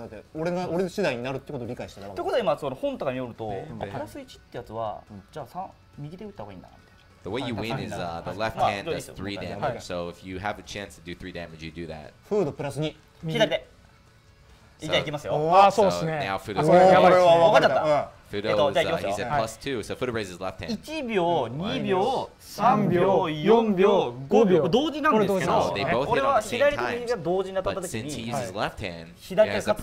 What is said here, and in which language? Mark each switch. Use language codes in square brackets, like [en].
[ja] だって俺次第になるってことを理解してたわけ。ということで今その本とかによるとプラス1ってやつはじゃあ右手打った方がいいんだな。 [en] The way you win is the left hand does 3 damage. So if you have a chance to do 3 damage, you do that. [ja] フードプラス2。左手。じゃあ行きますよ。ああ、そうですね。 [en] Now Fudo's going to [ja] win. 分かっちゃった。 [en] Fudo is he's at plus two, so Fudo raises his left hand. [ja] 1秒、2秒、3秒、4秒、5秒、同時なんですけど、これは左と右が同時になった時に、左で勝つ